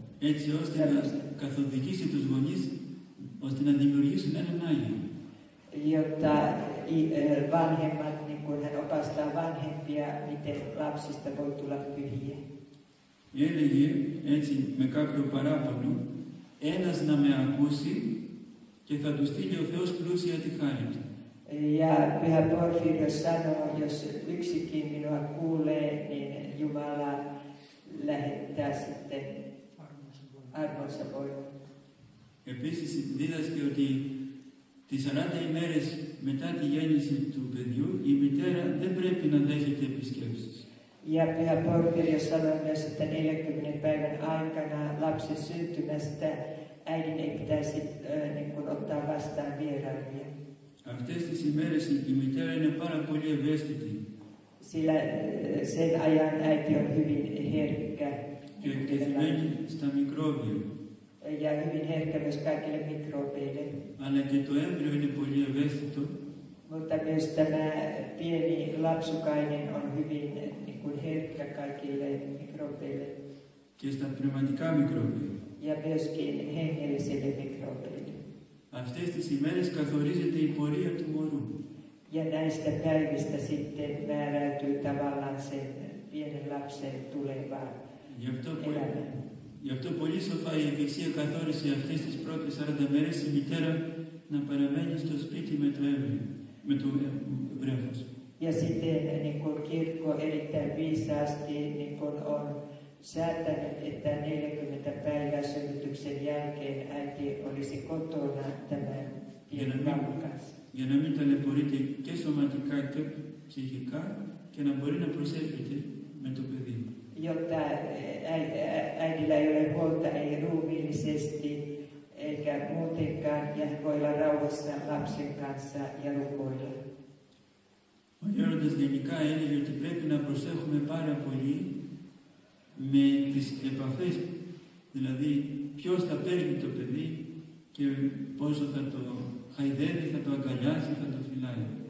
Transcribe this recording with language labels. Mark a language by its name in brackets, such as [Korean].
[Greek] Έτσι ώστε να καθοδηγήσει τους γονείς, ώστε να δημιουργήσουν έναν Άγιο. [Finnish] Jotta vanhemmat, niin kun hän opastaa vanhempia, miten lapsista voi tulla pyhiä. [Greek] Έλεγε έτσι με κάποιο παράπονο, ένας να με ακούσει και θα του στείλει ο Θεός πλούσια τη χάρη του. [Finnish] Ja Pyhä Porfirios sanoo, jos yksikin minua kuulee, niin Jumala lähettää sitten armonsa voimaa. [Greek] Επίσης δίδασκε ότι τις 40 ημέρες μετά τη γέννηση του παιδιού η μητέρα δεν πρέπει να δέχεται επισκέψεις. [Finnish] Ja Pyhä Porfirios sanoo myös, että 40 päivän aikana lapsen syntymästä äidin ei pitäisi ottaa vastaan vieraita. [Greek] Αυτές τις ημέρες η μητέρα είναι πάρα πολύ ευαίσθητη. [Finnish] Sillä sen ajan äiti on hyvin herkkä. [Greek] Και εκτεθειμένη στα μικρόβια. [Finnish] Ja hyvin herkkä myös kaikille mikrobeille. [Greek] Αλλά και το έμπριο είναι πολύ ευαίσθητο. [Finnish] Mutta myös tämä pieni lapsukainen on hyvin herkkä kaikille mikrobeille. [Greek] Και στα πνευματικά μικρόβια. [Finnish] Ja myöskin hengellisille mikrobeille. [Greek] Αυτές τις ημέρες καθορίζεται η πορεία του μωρού. [Finnish] Ja näistä päivistä sitten määräytyy tavallaan sen pienen lapsen tuleva elämä. [Greek] Γι' αυτό πολύ σοφά η Εκκλησία καθόρισε αυτές τις πρώτες 40 μέρες η μητέρα να παραμένει στο σπίτι με το έμβριο, με το βρέφος. [Finnish] Ja sitten niin kuin kirkko erittäin viisaasti niin kuin on säätänyt, että 40 päivää synnytyksen jälkeen äiti olisi kotona tämän pienen vauvan kanssa. [Greek] Για να μην ταλαιπωρείται και σωματικά και ψυχικά και να μπορεί να προσέρχεται με το παιδί. [Finnish] Jotta äidillä ei ole huolta ei ruumiillisesti eikä muutenkaan ja voi olla rauhassa lapsen kanssa ja rukoilla. [Greek] Ο γέροντας γενικά έλεγε ότι πρέπει να προσέχουμε πάρα πολύ με τις επαφές, δηλαδή ποιος θα παίρνει το παιδί και πόσο θα το χαϊδεύει, θα το αγκαλιάσει, θα το φυλάει.